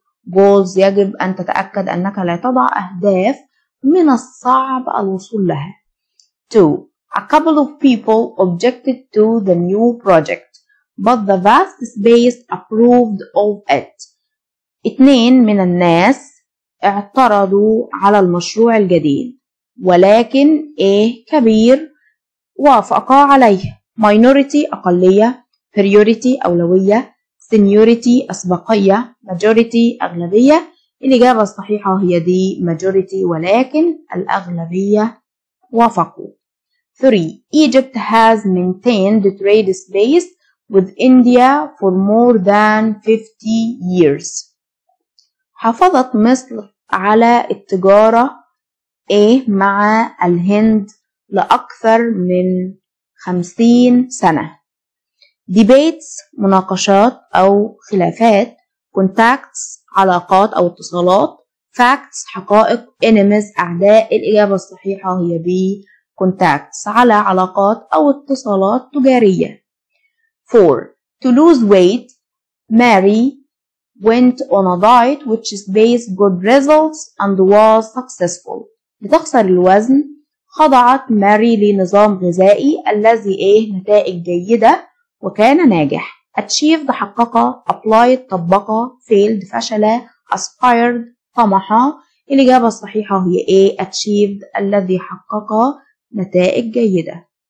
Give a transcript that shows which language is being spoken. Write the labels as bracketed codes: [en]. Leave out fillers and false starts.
[ar] goals يجب أن تتأكد أنك لا تضع أهداف من الصعب الوصول لها [en] 2 a couple of people objected to the new project but the vast space approved of it [ar] 2 من الناس اعترضوا على المشروع الجديد ولكن إيه كبير وافقا عليه minority أقلية priority أولوية، seniority أسبقية، majority أغلبية. الإجابة الصحيحة هي دي majority، ولكن الأغلبية وافقوا. [en] 3. Egypt has maintained trade space with India for more than 50 years. [ar] حافظت مصر على التجارة A مع الهند لأكثر من 50 سنة. Debates مناقشات أو خلافات. Contacts علاقات أو اتصالات. Facts حقائق. Enemies أعداء. الإجابة الصحيحة هي B contacts على علاقات أو اتصالات تجارية. [en] 4. To lose weight, Mary went on a diet which is based good results and was successful. [ar] لتخسر الوزن خضعت ماري لنظام غذائي الذي إيه نتائج جيدة وكان ناجح. Achieved حققه. Applied طبقه. Failed فشله. Aspired طمحه. الإجابة الصحيحة هي A achieved الذي حققه نتائج جيدة.